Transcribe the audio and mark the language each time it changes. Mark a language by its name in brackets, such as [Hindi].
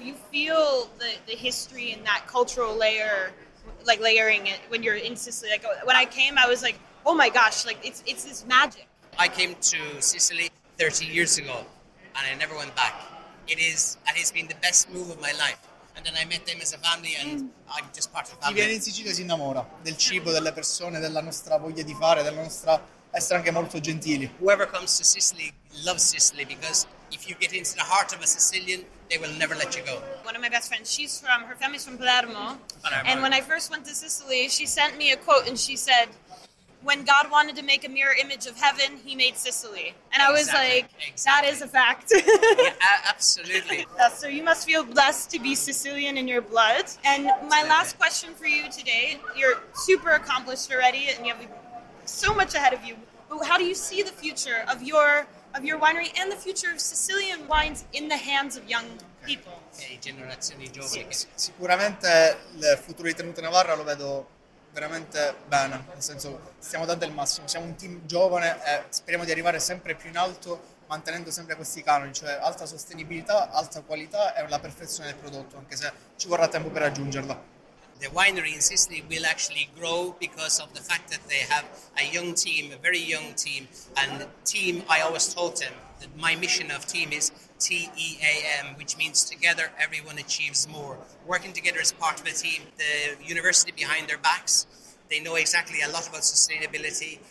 [English] You feel the history and that cultural layer, like layering it when you're in Sicily. Like when I came, I was like, oh my gosh, like it's this magic. I came to Sicily 30 years ago. And I never went back. It's been the best move of my life. And then I met them as a family, and I'm just part of the family. [Italian] Chi viene in Sicilia si innamora del cibo, delle persone, della nostra voglia di fare, della nostra essere anche molto gentili. [English] Whoever comes to Sicily loves Sicily because if you get into the heart of a Sicilian, they will never let you go. One of my best friends, her family's from Palermo. Palermo. And when I first went to Sicily, she sent me a quote, and she said, "When God wanted to make a mirror image of heaven, he made Sicily." And exactly, I was like, exactly. That is a fact. Yeah, absolutely. So you must feel blessed to be Sicilian in your blood. And my last question for you today, you're super accomplished already and you have so much ahead of you. But how do you see the future of your winery and the future of Sicilian wines in the hands of young people? [Italian] Okay, generazioni giovani. Sicuramente il futuro di Tenuta Navarra lo vedo veramente bene, nel senso stiamo dando il massimo, siamo un team giovane e speriamo di arrivare sempre più in alto mantenendo sempre questi canoni, cioè alta sostenibilità, alta qualità e la perfezione del prodotto, anche se ci vorrà tempo per raggiungerla. [English] The winery in Sicily will actually grow because of the fact that they have a young team, a very young team, and team, I always told them that my mission of team is TEAM, which means together everyone achieves more. Working together as part of a team, the university behind their backs, they know exactly a lot about sustainability.